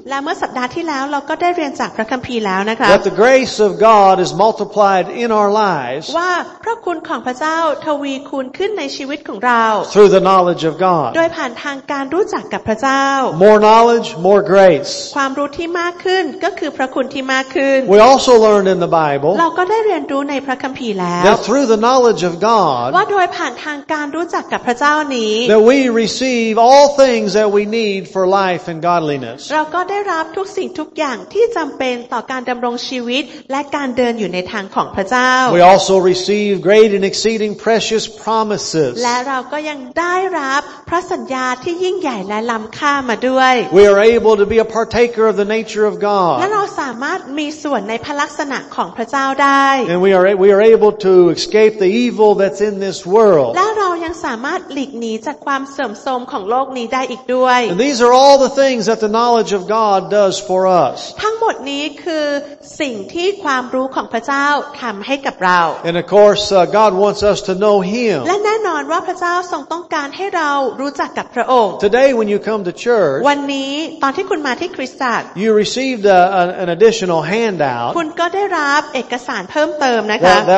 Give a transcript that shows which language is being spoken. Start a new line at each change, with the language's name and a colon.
Thai: และเมื่อสัปดาห์ที่แล้วเราก็ได้เรียนจากพระคัมภีร์แล้วนะครับ
English: That the grace of God is multiplied in our lives.
Thai: ว่าพระคุณของพระเจ้าทวีคูณขึ้นในชีวิตของเรา
English: Through the knowledge of God.
Thai: โดยผ่านทางการรู้จักกับพระเจ้า
English: More knowledge, more grace.
Thai: ความรู้ที่มากขึ้นก็คือพระคุณที่มากขึ้น
English: We also learned in the Bible
Thai: เราก็ได้เรียนรู้ในพระคัมภีร์แล้ว
English: That through the knowledge of God
Thai: ว่าโดยผ่านทางการรู้จักกับพระเจ้านี้
English: That we receive all things that we need for life and godliness
Thai: เราก็ได้รับทุกสิ่งทุกอย่างที่จำเป็นต่อการดำรงชีวิตและการเดินอยู่ในทางของพระเจ้า
English: We also receive great and exceeding precious promises
Thai: และเราก็ยังได้รับพระสัญญาที่ยิ่งใหญ่และล้ำค่ามาด้วย
English: We are able to be a partaker of the nature of God.
Thai: และเราสามารถมีส่วนในพระลักษณะของพระเจ้าได้
English: And we are able to escape the evil that's in this world.
Thai: และเรายังสามารถหลีกหนีจากความเสื่อมโทรมของโลกนี้ได้อีกด้วย
English: And these are all the things that the knowledge of God does for us.
Thai: ทั้งหมดนี้คือสิ่งที่ความรู้ของพระเจ้าทําให้กับเรา
English: And of course, God wants us to know him.
Thai: และแน่นอนว่าพระเจ้าทรงต้องการให้เรารู้จักกับพระองค์
English: Today when you come to church,
Thai: วันนี้ตอนที่คุณมาที่คริสตจักร
English: You received an additional handout.
Thai: คุณก็ได้รับเอกสารเพิ่มเติมนะคะ